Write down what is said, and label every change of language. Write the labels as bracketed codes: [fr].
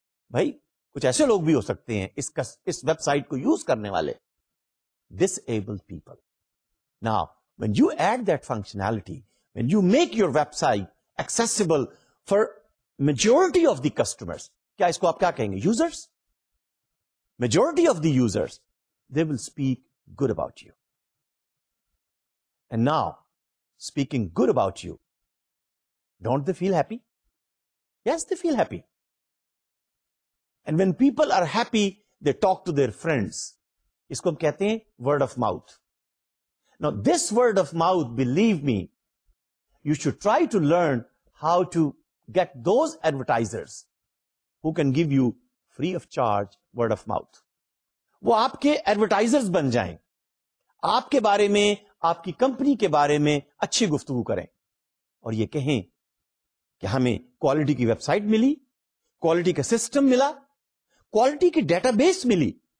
[ur] بھائی کچھ ایسے لوگ بھی ہو سکتے ہیں اس ویب سائٹ کو یوز کرنے والے، ڈس able people. [en] now when you add that functionality, when you make your website accessible for majority of the customers, [ur] کیا اس کو آپ کیا کہیں گے؟ [en] Users. Majority of the users, they will speak good about you. And now, speaking good about you, don't they feel happy? Yes, they feel happy. And when people are happy, they talk to their friends. [ur] Isko hum kehte hain [en] word of mouth. Now, this word of mouth, believe me, you should try to learn how to get those advertisers who can give you free of charge word of mouth. [ur] وہ آپ کے advertisers بن جائیں، آپ کے بارے میں، آپ کی کمپنی کے بارے میں اچھی گفتگو کریں اور یہ کہیں کہ ہمیں کوالٹی کی ویب سائٹ ملی، کوالٹی کا سسٹم ملا، کوالٹی کی ڈیٹا بیس ملی.